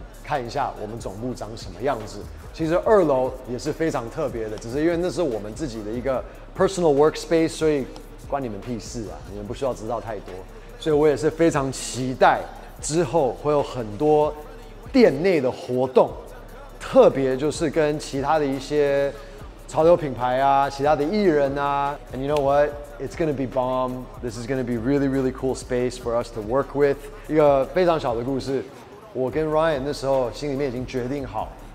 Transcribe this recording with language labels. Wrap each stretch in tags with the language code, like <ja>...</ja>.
<zh>我知道大家很想要看我们一楼总部长什么样子，但是我现在没有办法透露太多。之后我们会有很多不同的开箱，因为我想慢慢的一点一点让大家知道，分享给你们看一下我们总部长什么样子。其实二楼也是非常特别的，只是因为那是我们自己的一个</zh> <en>personal workspace，</en> <zh>所以关你们屁事啊！你们不需要知道太多，所以我也是非常期待之后会有很多店内的活动，特别就是跟其他的一些潮流品牌啊、其他的艺人啊。</zh> <en>And you know what? It's gonna be bomb. This is gonna be really, really cool space for us to work with.</en> <zh>一个非常小的故事，我跟 Ryan 那时候心里面已经决定好。</zh>